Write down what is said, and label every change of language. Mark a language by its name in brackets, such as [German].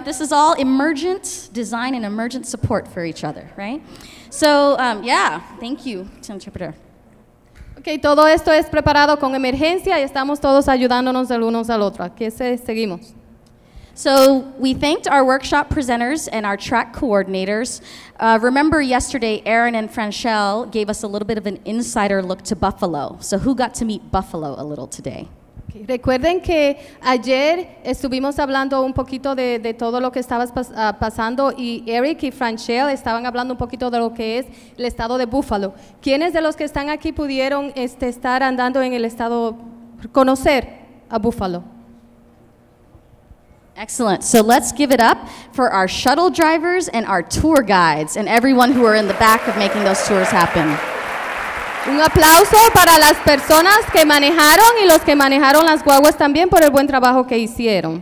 [English] This is all emergent design and emergent support for each other, right? So, yeah. Thank you, to interpreter. Okay. [Spanish] Todo esto es preparado con emergencia y estamos todos ayudándonos el uno al otro. ¿Qué se seguimos? [English] So we thanked our workshop presenters and our track coordinators. Remember yesterday, Aaron and Franchelle gave us a little bit of an insider look to Buffalo. So who got to meet Buffalo a little today? [Spanish] Recuerden que ayer estuvimos hablando un poquito de todo lo que estabas pasando y Eric y Franchelle estaban hablando un poquito de lo que es el estado de Buffalo. ¿Quiénes de los que están aquí pudieron estar andando en el estado, conocer a Buffalo? [English] Excellent. So let's give it up for our shuttle drivers and our tour guides and everyone who are in the back of making those tours happen. [Spanish] Un aplauso para las personas que manejaron y los que manejaron las guaguas también por el buen trabajo que hicieron.